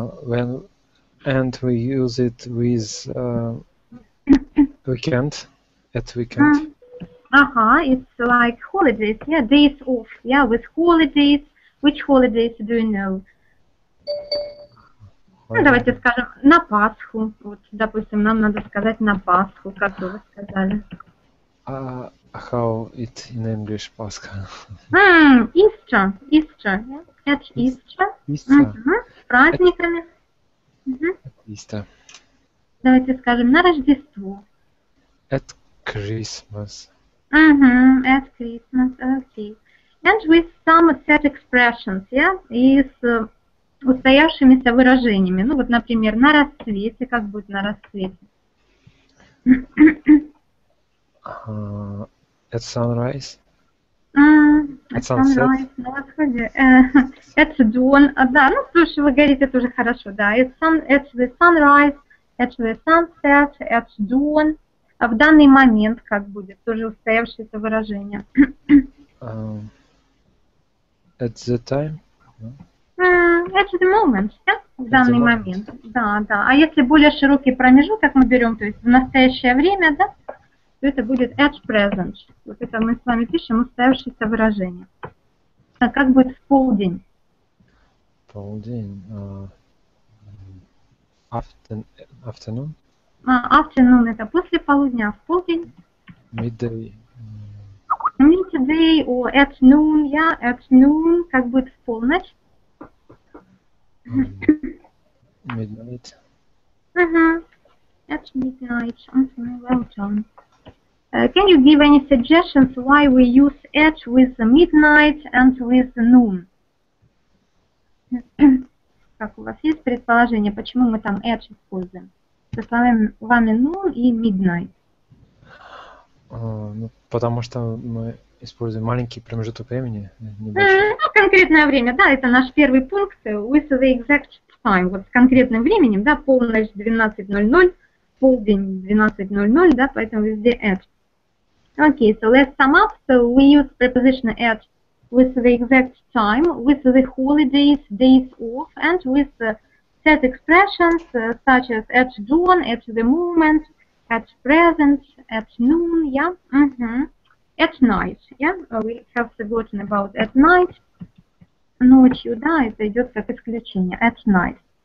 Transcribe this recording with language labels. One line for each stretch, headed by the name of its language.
English: When and we use it with weekend, at weekend. It's like holidays, yeah, days off, yeah, with holidays. Which holidays do you know?
Russian: Ну,
English: Holiday.
Russian: давайте скажем на Пасху. Вот, допустим, нам надо сказать на Пасху, как бы вы сказали.
English: How it in English, Pascal? Easter, yeah, at Easter, Easter.
Russian: с праздниками.
English: Easter.
Russian: Давайте скажем на Рождество.
English: At Christmas. At Christmas, okay. And with some set expressions, yeah,
Russian: и с устоявшимися выражениями. Ну, вот, например, на рассвете, как будет на рассвете.
English: At sunrise, at At sunset.
Russian: sunrise, на восходе.
English: At dawn,
Russian: да, ну, слушай, вы говорите тоже хорошо, да.
English: At the sunrise, at the sunset, at dawn.
Russian: А в данный момент как будет? Тоже устоявшееся выражение.
English: At the time, no? At the moment, yeah? В At the
Russian: данный
English: moment.
Russian: момент. Да. А если более широкий промежуток мы берем, то есть в настоящее время, да, то это будет
English: at present.
Russian: Вот это мы с вами пишем устоявшееся выражение. А как будет в полдень? Полдень, afternoon, Afternoon – это после полудня, в полдень.
English: midday. Midday or at noon, yeah, at noon,
Russian: как будет в полночь.
English: Midnight. At midnight, well done. Can you give any suggestions why we use at with the midnight and with the noon?
Russian: Как у вас есть предположение, почему мы там at используем? Со словами one noon и midnight. Ну, потому что мы используем маленький промежуток времени, небольшой. Конкретное время, да, это наш первый пункт,
English: with the exact time,
Russian: вот с конкретным временем, да, полночь 12:00, полдень 12:00, да, поэтому везде at.
English: Okay, so let's sum up. So we use preposition at with the exact time, with the holidays, days off, and with the set expressions such as at dawn, at the moment, at present, at noon, yeah, at night, yeah, we have forgotten about at night,
Russian: ночью, да, это идет как исключение,
English: at night.